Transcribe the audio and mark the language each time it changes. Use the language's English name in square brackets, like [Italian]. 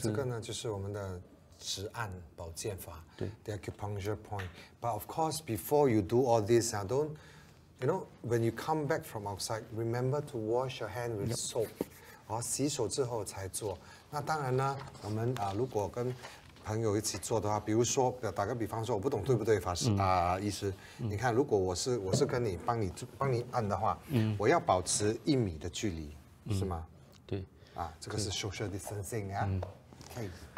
[Chinese] 这个呢，就是我们的指按保健法。对 [English] ，the acupuncture point。 But of course, before you do all this, you know, when you come back from outside, remember to wash your hand with soap。 [Chinese] 好，洗手之后才做。那当然呢，我们如果跟朋友一起做的话，比如说打个比方说，我不懂对不对，法师啊，医师，你看，如果我是跟你帮你按的话，我要保持1米的距离，是吗？对，啊，这个是 social distancing 啊。OK。